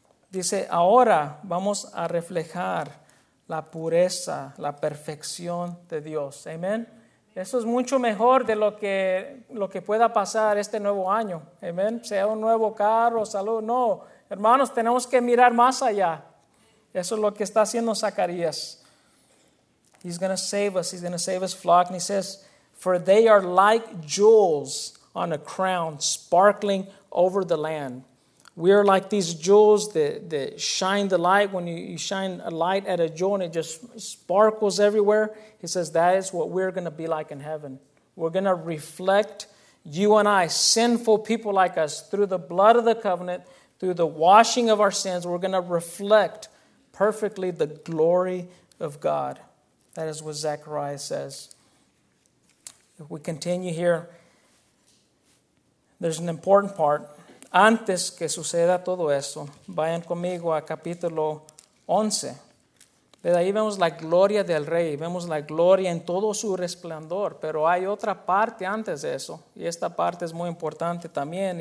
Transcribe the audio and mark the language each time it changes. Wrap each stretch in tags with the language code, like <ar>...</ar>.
<es>Dice, ahora vamos a reflejar la pureza, la perfección de Dios. Amén. Eso es mucho mejor de lo que pueda pasar este nuevo año. Amén. Sea un nuevo carro, salud. No, hermanos, tenemos que mirar más allá. Eso es lo que está haciendo Zacarías.</es> <en>He's going to save us. He's going to save his flock. And he says, for they are like jewels on a crown sparkling over the land. We are like these jewels that shine the light. When you shine a light at a jewel and it just sparkles everywhere, he says that is what we're going to be like in heaven. We're going to reflect you and I, sinful people like us, through the blood of the covenant, through the washing of our sins, we're going to reflect perfectly the glory of God. That is what Zechariah says. If we continue here, there's an important part.</en> <es>Antes que suceda todo esto, vayan conmigo a capítulo 11. Desde ahí vemos la gloria del rey, vemos la gloria en todo su resplandor. Pero hay otra parte antes de eso, y esta parte es muy importante también.</es>